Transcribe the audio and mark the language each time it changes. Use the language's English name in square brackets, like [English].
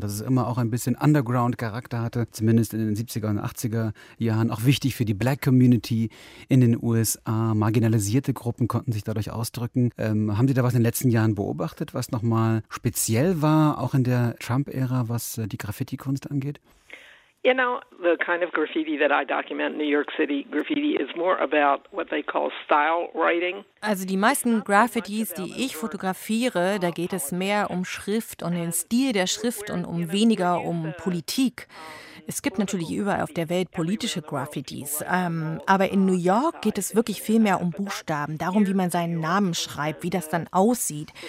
[German] Dass es immer auch ein bisschen Underground-Charakter hatte, zumindest in den 70er und 80er Jahren. Auch wichtig für die Black Community in den USA. Marginalisierte Gruppen konnten sich dadurch ausdrücken. Haben Sie da was in den letzten Jahren beobachtet, was nochmal speziell war, auch in der Trump-Ära, was die Graffiti-Kunst angeht? [English] You know, the kind of graffiti that I document, New York City graffiti, is more about what they call style writing. [German] Also die meisten Graffitis, die ich fotografiere, da geht es mehr um Schrift und den Stil der Schrift und um weniger um Politik. Es gibt natürlich überall auf der Welt politische Graffitis. Aber in New York geht es wirklich viel mehr um Buchstaben, darum, wie man seinen Namen schreibt, wie das dann aussieht.